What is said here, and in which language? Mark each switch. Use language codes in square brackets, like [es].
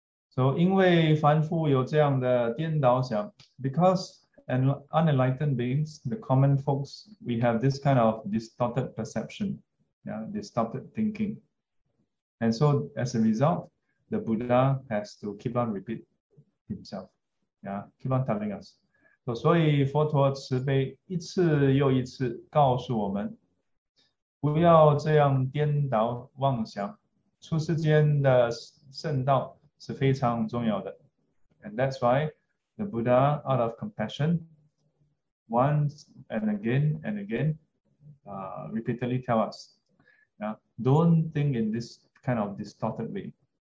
[en] So [zh] 因为凡夫有这样的颠倒想, [en] because unenlightened beings, the common folks, we have this kind of distorted perception, yeah, distorted thinking. And so as a result, the Buddha has to keep on repeat himself. Yeah, keep on telling us. [zh] So 所以佛陀慈悲一次又一次告诉我们, 不要这样颠倒妄想, 出世间的圣道是非常重要的. [en] And that's why the Buddha, out of compassion, once and again, repeatedly tell us, yeah, don't think in this kind of distorted way.